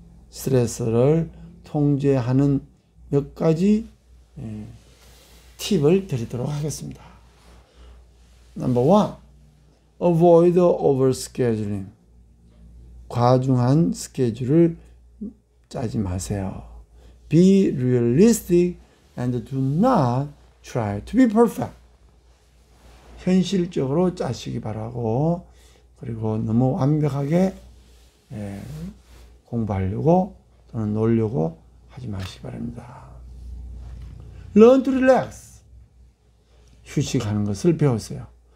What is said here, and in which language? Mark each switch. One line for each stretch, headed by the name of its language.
Korean: 스트레스를 통제하는 몇 가지 팁을 드리도록 하겠습니다.
English: Number one, avoid overscheduling.
Korean: 과중한 스케줄을 짜지 마세요.
English: Be realistic and do not try to be perfect.
Korean: 현실적으로 짜시기 바라고, 그리고 너무 완벽하게 공부하려고 또는 놀려고 하지 마시기 바랍니다.
English: Learn to relax.
Korean: 휴식하는 것을 배우세요.